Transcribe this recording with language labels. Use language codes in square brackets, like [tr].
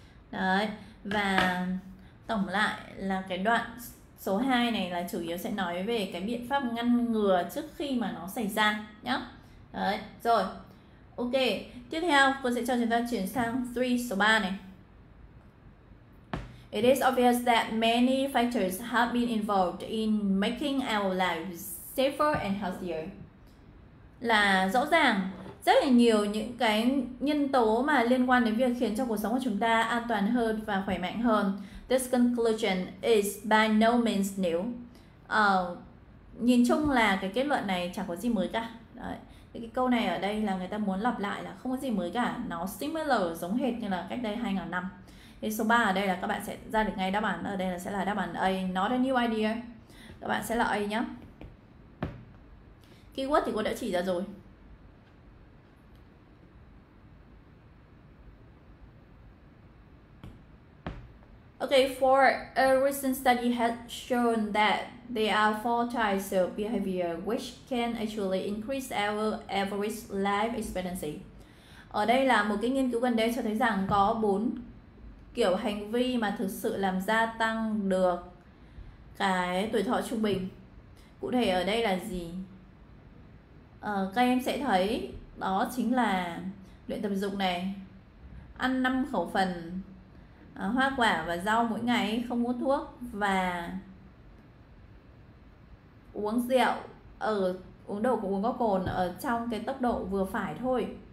[vi] Đấy, và tổng lại là cái đoạn số 2 này là chủ yếu sẽ nói về cái biện pháp ngăn ngừa trước khi mà nó xảy ra nhá. Đấy, rồi. Ok, tiếp theo cô sẽ cho chúng ta chuyển sang 3 số 3 này. [en] It is obvious that many factors have been involved in making our lives safer and healthier. [vi] Là rõ ràng rất là nhiều những cái nhân tố mà liên quan đến việc khiến cho cuộc sống của chúng ta an toàn hơn và khỏe mạnh hơn. [en] This conclusion is by no means new. [vi] Nhìn chung là cái kết luận này chẳng có gì mới cả. Đấy. Cái câu này ở đây là người ta muốn lặp lại là không có gì mới cả. Nó similar giống hệt như là cách đây 2000 năm. Thì số 3 ở đây là các bạn sẽ ra được ngay đáp án. Ở đây là sẽ là đáp án A, [en] not a new idea. [vi] Các bạn sẽ là A nhé. Keyword thì cô đã chỉ ra rồi. [en] Okay, for a recent study has shown that there are four types of behavior which can actually increase our average life expectancy. [vi] Ở đây là một cái nghiên cứu gần đây cho thấy rằng có bốn kiểu hành vi mà thực sự làm gia tăng được cái tuổi thọ trung bình. Cụ thể ở đây là gì? Các em sẽ thấy đó chính là luyện tập dục này, ăn 5 khẩu phần hoa quả và rau mỗi ngày, không hút thuốc và uống rượu, uống đồ uống có cồn ở trong cái tốc độ vừa phải thôi.